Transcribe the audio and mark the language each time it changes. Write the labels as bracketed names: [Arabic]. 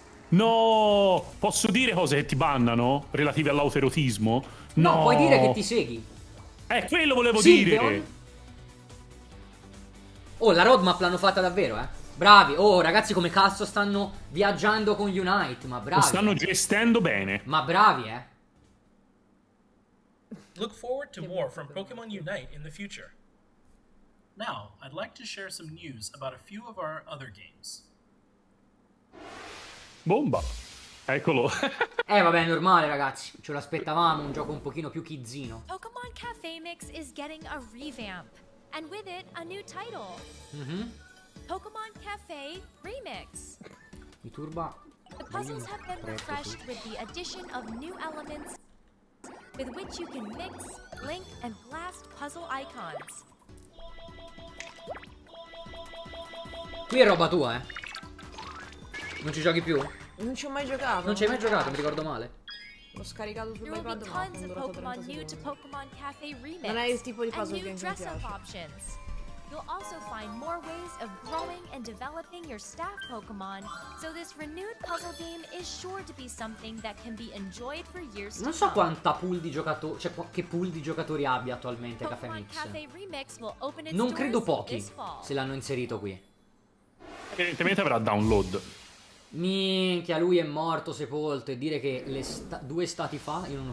[Italian] No, posso dire cose che ti bannano relative all'autoerotismo? No, puoi dire che ti seghi. Quello volevo dire. Oh, la roadmap l'hanno fatta davvero, eh. Bravi. Oh, ragazzi, come cazzo stanno viaggiando con Unite, ma bravi. Lo stanno gestendo bene. Ma bravi, eh. [English] Look forward to more from Pokémon Unite in the future. Now, I'd like to share some news about a few of our other games. [Italian] Bomba! Eccolo! vabbè, è normale, ragazzi. Ce l'aspettavamo, un gioco un pochino più kidzino. [English] Pokémon Café Mix is getting a revamp. And with it, a new title. [Italian] Pokémon Café Remix. Mi turba. [English] The puzzles have been refreshed with the addition of new elements with which you can mix, link, and blast puzzle icons. [Italian] Qui è roba tua, eh. Non ci giochi più? Non ci ho mai giocato. Non ci hai mai giocato, mi ricordo male. L'ho scaricato sul iPad, ma non durato 30 secondi. Non è il tipo di puzzle che mi piace. [English] you'll also find more ways of growing and developing your staff Pokémon. So this renewed puzzle game is sure to be something that can be enjoyed for years. [Italian] Non so quanta pool di giocatori, cioè che pool di giocatori abbia attualmente Cafe Remix. Non credo pochi se l'hanno inserito qui. Evidentemente avrà download. Minchia, lui è morto, sepolto. E dire che le due stati fa io non ho